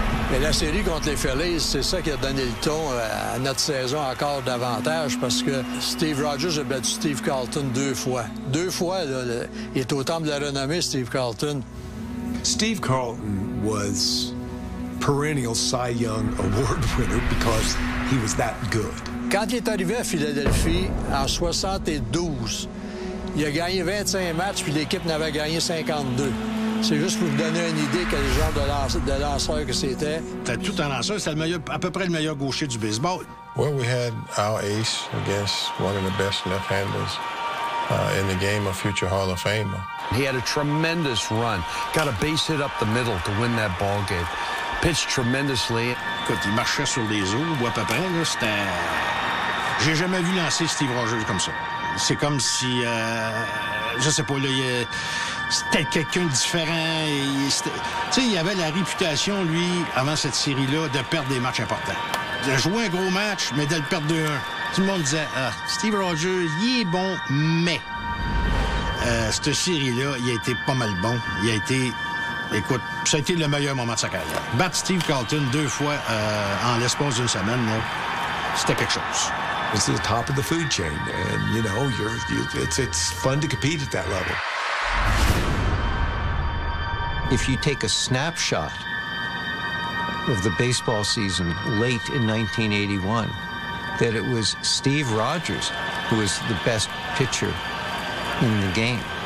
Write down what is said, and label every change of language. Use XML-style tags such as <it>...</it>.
<fr>Mais la série contre les Phillies, c'est ça qui a donné le ton à notre saison encore davantage, parce que Steve Rogers a battu Steve Carlton deux fois. Deux fois, là, il est au temple de la renommée, Steve Carlton.</fr> <en>Steve Carlton was perennial Cy Young Award winner because he was that good.</en> <fr>Quand il est arrivé à Philadelphie en 72, il a gagné 25 matchs puis l'équipe n'avait gagné 52. C'est juste pour vous donner une idée quel genre de lanceur que c'était. C'était tout un lanceur, c'était le meilleur, à peu près le meilleur gaucher du baseball.</fr> <en>Well, we had our ace against one of the best left-handers in the game, a future Hall of Famer. He had a tremendous run. Got a base hit up the middle to win that ball game. Pitched tremendously.</en> <fr>Écoute, il marchait sur les eaux, ou à peu près, là, c'était... J'ai jamais vu lancer Steve Rogers comme ça. C'est comme si... je sais pas, là, il... C'était quelqu'un de différent. Tu sais, il avait la réputation, lui, avant cette série-là, de perdre des matchs importants. De jouer un gros match, mais de le perdre 2-1. Tout le monde disait, ah, Steve Rogers, il est bon, mais... cette série-là, il a été pas mal bon. Il a été... Écoute, ça a été le meilleur moment de sa carrière. Battre Steve Carlton deux fois en l'espace d'une semaine, là, c'était quelque chose.</fr> <en>It's the top of the food chain. And, you know, it's fun to compete at that level. If you take a snapshot of the baseball season late in 1981, that it was Steve Rogers who was the best pitcher in the game.</en>